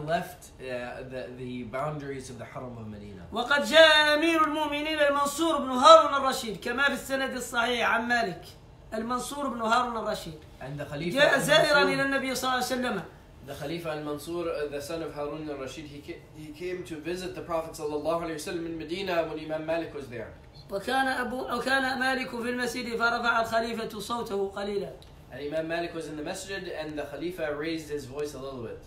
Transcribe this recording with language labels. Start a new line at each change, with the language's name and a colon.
English: He left the boundaries of the Haram of Medina.
Arabic: وقد جاء أمير المؤمنين المنصور بن هارون الرشيد كما في السند الصحيح عن مالك. المنصور بن هارون الرشيد عند خليفة جاء زائرا إلى النبي صلى الله عليه وسلم
English: The Khalifa al-Mansur, the son of Harun al-Rashid, he came to visit the Prophet sallallahu alayhi wa sallam in Medina when Imam Malik was there. And Imam Malik was in the masjid and the Khalifa raised his voice a little bit.